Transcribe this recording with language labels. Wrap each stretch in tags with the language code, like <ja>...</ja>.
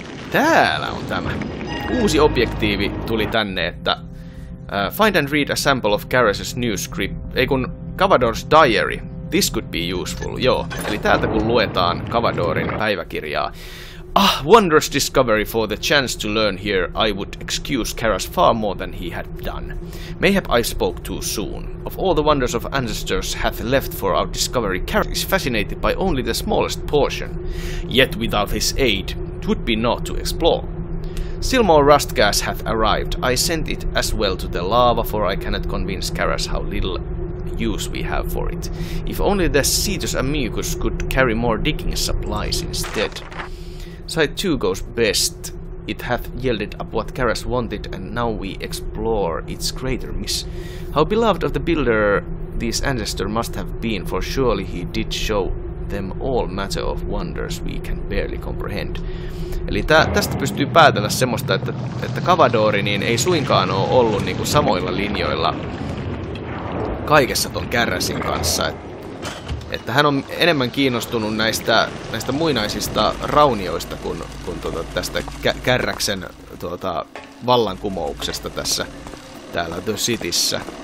<fi>Täällä on tämä. Uusi objektiivi tuli tänne, että</fi> <en>find and read a sample of Karras's new script.</en> <fi>Ei kun Cavador's diary.</fi> <en>This could be useful.</en> <fi>Joo, eli täältä kun luetaan Cavadorin päiväkirjaa.</fi> <en>Ah, wondrous discovery for the chance to learn here. I would excuse Karas far more than he had done. Mayhap I spoke too soon. Of all the wonders of ancestors hath left for our discovery, Karas is fascinated by only the smallest portion. Yet without his aid, it would be naught to explore. Still more rust gas hath arrived. I sent it as well to the lava, for I cannot convince Karas how little use we have for it. If only the Cetus Amicus could carry more digging supplies instead. Site 2 goes best. It hath yielded up what Karas wanted, and now we explore its greater miss. How beloved of the builder this ancestor must have been, for surely he did show them all matter of wonders we can barely comprehend.</en> <fi>Eli tästä pystyy päätellä semmoista, että Cavadori niin ei suinkaan ole ollut niinku samoilla linjoilla kaikessa ton Karasin kanssa. Että hän on enemmän kiinnostunut näistä muinaisista raunioista kuin tästä Karaksen vallankumouksesta tässä täällä The Cityssä.</fi>